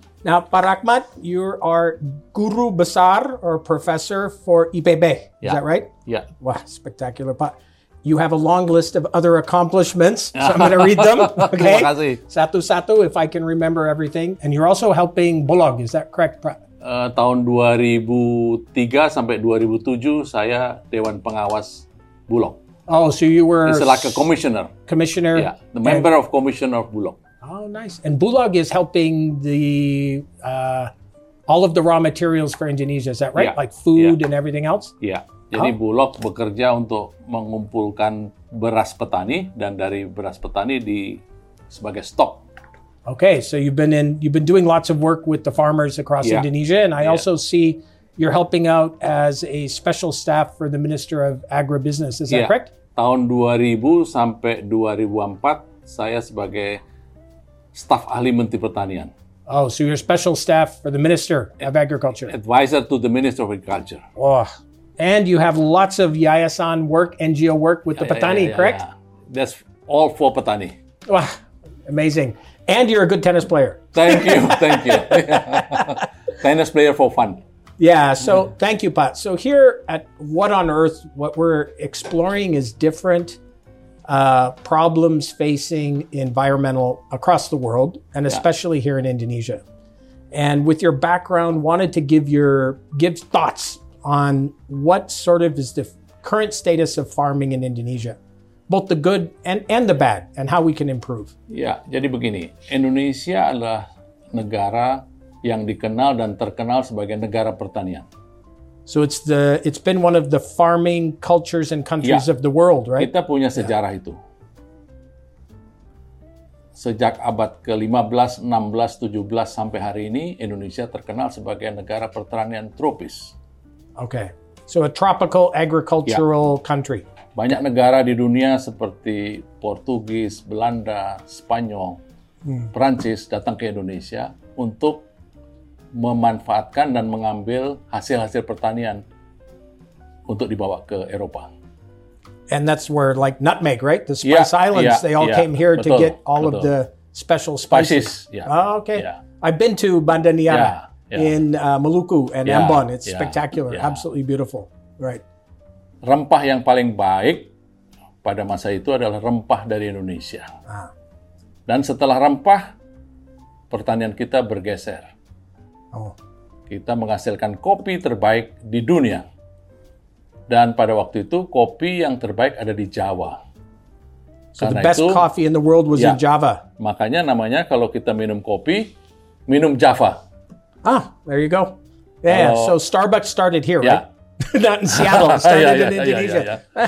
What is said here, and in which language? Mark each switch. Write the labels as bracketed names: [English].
[English] Now, Pak Rachmat, you are Guru Besar or Professor for IPB. Yeah. Is that right? Yeah. Wow, spectacular, Pak. You have a long list of other accomplishments, so I'm going to read them. Okay. [Indonesian] Satu-satu, [English] if I can remember everything. And you're also helping Bolog, is that correct, Pak? [Indonesian] Tahun 2003 sampai 2007 saya Dewan Pengawas Bulog. [English] Oh, so you were... It's like a commissioner. Commissioner. Yeah, the member of commissioner of Bulog. Oh, nice. And Bulog is helping the all of the raw materials for Indonesia, is that right? Yeah. Like food and everything else? Yeah. [Indonesian] Jadi Bulog bekerja untuk mengumpulkan beras petani dan dari beras petani di sebagai stok. [English] Okay, so you've been doing lots of work with the farmers across Indonesia, and I also see you're helping out as a special staff for the Minister of Agribusiness, is that correct? [Indonesian] Tahun 2000 sampai 2004 saya sebagai staf ahli Menteri Pertanian. [English] Oh, so you're special staff for the Minister of Agriculture. Advisor to the Minister of Agriculture. Oh, and you have lots of yayasan work, NGO work with the petani, correct? Yeah. That's all for petani. Wow, amazing. And you're a good tennis player. Thank you. Tennis player for fun. Yeah, so thank you, Pat. So here at What on Earth, what we're exploring is different problems facing environmental across the world, and especially here in Indonesia. And with your background, wanted to give thoughts on what sort of is the current status of farming in Indonesia. Both the good and the bad, and how we can improve. [Indonesian] Ya, jadi begini, Indonesia adalah negara yang dikenal dan terkenal sebagai negara pertanian. [English] So it's been one of the farming cultures and countries of the world, right? [Indonesian] Kita punya sejarah itu. Sejak abad ke-15, 16, 17 sampai hari ini, Indonesia terkenal sebagai negara pertanian tropis. [English] Okay, so a tropical agricultural country. [Indonesian] Banyak negara di dunia seperti Portugis, Belanda, Spanyol, Perancis datang ke Indonesia untuk memanfaatkan dan mengambil hasil-hasil pertanian untuk dibawa ke Eropa. [English] And that's where like nutmeg, right? The Spice Islands, they all came here to get all of the special spices. I've been to Banda Niara in Maluku and Ambon. It's spectacular, absolutely beautiful, right? [Indonesian] Rempah yang paling baik pada masa itu adalah rempah dari Indonesia. Dan setelah rempah, pertanian kita bergeser. Kita menghasilkan kopi terbaik di dunia. Dan pada waktu itu, kopi yang terbaik ada di Jawa. [English] So karena the best itu, coffee in the world was in Java. [Indonesian] Makanya namanya kalau kita minum kopi, minum Java. [English] Ah, there you go. Yeah, so Starbucks started here, right? Not in Seattle, started in Indonesia.